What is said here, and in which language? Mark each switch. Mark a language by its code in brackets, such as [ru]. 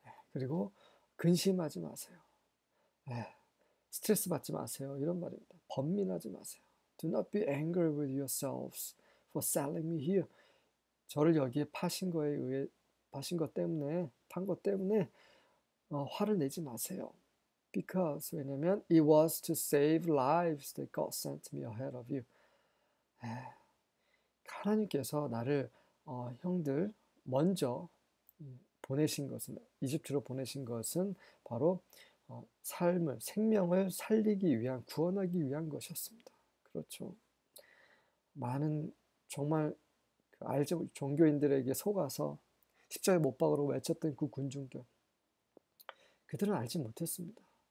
[ko] 그리고 근심하지 마세요. 스트레스 받지 마세요. 이런 말입니다. 번민하지 마세요. [en] Do not be angry with yourselves for selling me here. [ko] 저를 여기에 파신 거에 의해 파신 것 때문에 판것 때문에 화를 내지 마세요. [en] Because [ko] 왜냐면 [en] it was to save lives that God sent me ahead of you. [ko] 하나님께서 나를 형들 먼저 보내신 것은 이집트로 보내신 것은 바로 삶을 생명을 살리기 위한 구원하기 위한 것이었습니다. 그렇죠. 많은 정말 종교인들에게 속아서 십자가에 못 박으라고 외쳤던 그 군중들 그들은 알지 못했습니다.